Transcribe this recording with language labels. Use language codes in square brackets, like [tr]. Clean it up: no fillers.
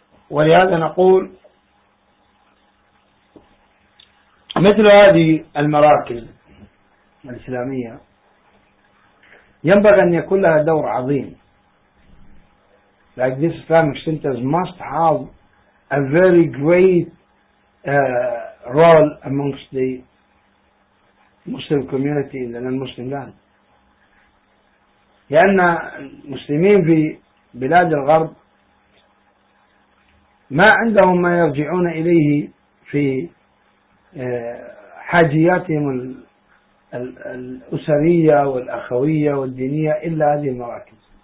[ar] ولهذا نقول مثل هذه المراكز الإسلامية ينبغي أن يكون لها دور عظيم. [en] Like this Islamic centers must have a very great role amongst the Muslim community in the non-Muslim land. [ar] لأن المسلمين في بلاد الغرب ما عندهم ما يرجعون إليه في حاجياتهم الأسرية والأخوية والدينية إلا هذه المراكز.